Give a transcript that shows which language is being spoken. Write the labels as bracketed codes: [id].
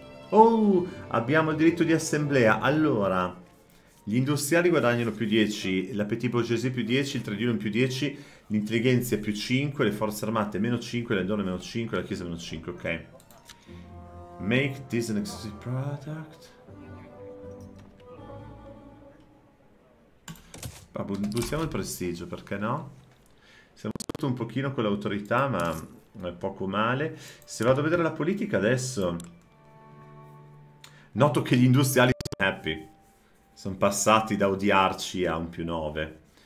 [it] Oh, abbiamo il diritto di assemblea. Allora, gli industriali guadagnano più 10, la petite borghesia più 10, il tradino più 10, l'intelligenza più 5, le forze armate meno 5, le donne meno 5, la chiesa meno 5. [en] Ok, make this an exclusive product. [it] Buttiamo il prestigio, perché no? Siamo sotto un pochino con l'autorità, ma è poco male. Se vado a vedere la politica adesso. Noto che gli industriali sono happy. Sono passati da odiarci a un più 9.